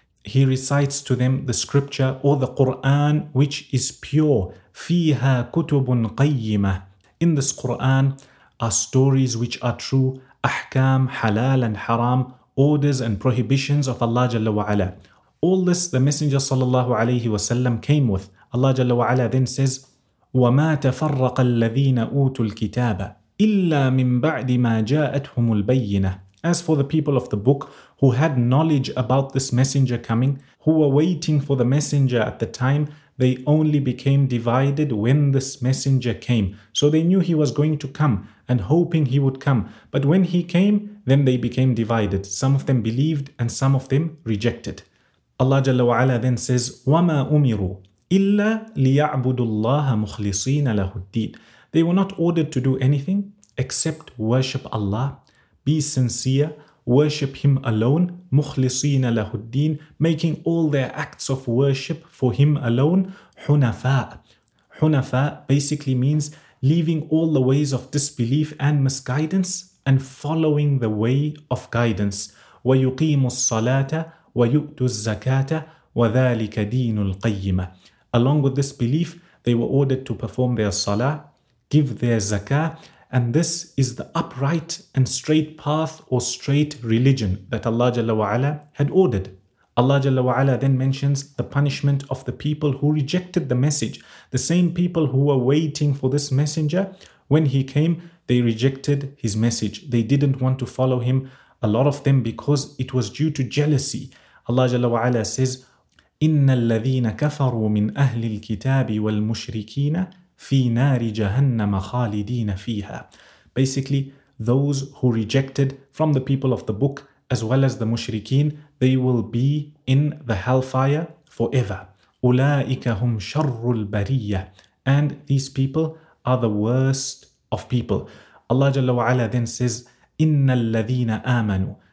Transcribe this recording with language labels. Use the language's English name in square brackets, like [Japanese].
[English] He recites to them the scripture or the Qur'an which is pure. [Arabic] فِيهَا كُتُبٌ قَيِّمَةٌ. [English] In this Qur'an are stories which are true, أحكام, halal and haram, orders and prohibitions of Allah [Arabic] جل وعلا. [English] All this the Messenger [Arabic] صلى الله عليه وسلم [English] came with. Allah [Arabic] جل وعلا [English] then says, [Arabic] وَمَا تَفَرَّقَ الَّذِينَ أُوتُوا الْكِتَابَ إِلَّا مِنْ بَعْدِ مَا جَاءَتْهُمُ الْبَيِّنَةُ. [English] As for the people of the book who had knowledge about this messenger coming, who were waiting for the messenger at the time, they only became divided when this messenger came. So they knew he was going to come and hoping he would come. But when he came, then they became divided. Some of them believed and some of them rejected. Allah Jalla wa Ala then says, [Arabic] وَمَا أُمِرُوا إِلَّا لِيَعْبُدُ اللَّهَ مُخْلِصِينَ لَهُ الدِّينَ. [English] They were not ordered to do anything except worship Allah, be sincere, worship Him alone, [Arabic] مُخْلِصِينَ لَهُ الدِّينَ, [English] making all their acts of worship for Him alone, حُنَفَاءَ. حُنَفَاءَ basically means leaving all the ways of disbelief and misguidance and following the way of guidance. [Arabic] وَيُقِيمُ الصَّلَاةَ وَيُؤْتُ الزَّكَاةَ وَذَلِكَ دِينُ الْقَيِّمَةَ. [English] Along with this belief, they were ordered to perform their salah, give their zakah, and this is the upright and straight path or straight religion that Allah Jalla wa Ala had ordered. Allah Jalla wa Ala then mentions the punishment of the people who rejected the message. The same people who were waiting for this messenger, when he came, they rejected his message. They didn't want to follow him, a lot of them, because it was due to jealousy. Allah Jalla wa Ala says, [Arabic] إِنَّ الَّذِينَ كَفَرُوا مِنْ أَهْلِ الْكِتَابِ وَالْمُشْرِكِينَ فِي نَارِ جَهَنَّمَ خَالِدِينَ فِيهَا. [English] Basically, those who rejected from the people of the book as well as the mushrikeen, they will be in the hellfire forever. [Arabic] أُولَٰئِكَ هُمْ شَرُّ الْبَرِيَّةِ. [English] And these people are the worst of people. Allah Jalla wa'ala then says, [Arabic] إِنَّ الَّذِينَ آمَنُوا.